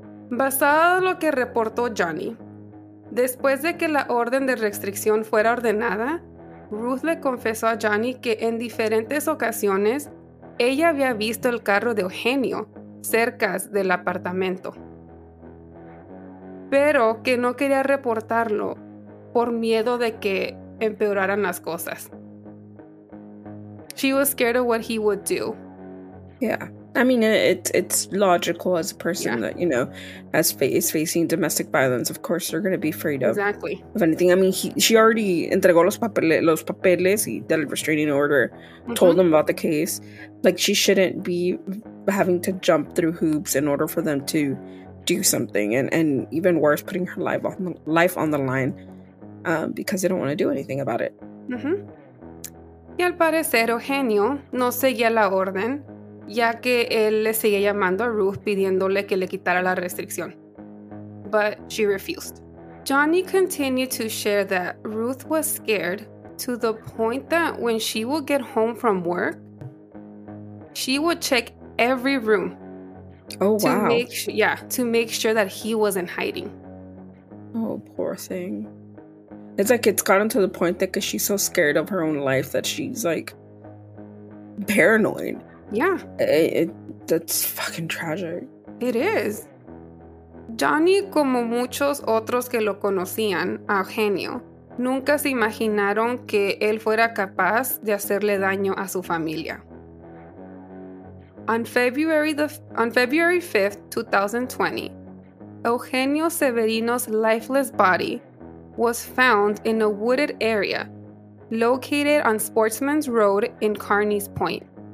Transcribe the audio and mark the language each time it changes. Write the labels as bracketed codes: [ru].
[es] Basado en lo que reportó Johnny, después de que la orden de restricción fuera ordenada, Ruth le confesó a Johnny que en diferentes ocasiones ella había visto el carro de Eugenio cerca del apartamento, pero que no quería reportarlo por miedo de que empeoraran las cosas. [en] She was scared of what he would do. Yeah. I mean, it's logical as a person that, you know, is facing domestic violence. Of course, they're going to be afraid of, exactly. of anything. I mean, she already [es] entregó los papeles y del [en] restraining order, mm-hmm. told them about the case. Like, she shouldn't be having to jump through hoops in order for them to do something. And even worse, putting her life on the line because they don't want to do anything about it. Mm-hmm. [es] Y al parecer, Eugenio no seguía la orden, ya que él le seguía llamando a Ruth pidiéndole que le quitara la restricción. [en] But she refused. Johnny continued to share that Ruth was scared to the point that when she would get home from work, she would check every room. Oh, wow. To make sure that he wasn't hiding. Oh, poor thing. It's like it's gotten to the point that because she's so scared of her own life that she's like paranoid. Yeah. That's fucking tragic. It is. [es] Johnny, como muchos otros que lo conocían, a Eugenio, nunca se imaginaron que él fuera capaz de hacerle daño a su familia. [en] On February 5th, 2020, Eugenio Severino's lifeless body was found in a wooded area located on Sportsman's Road in Carney's Point.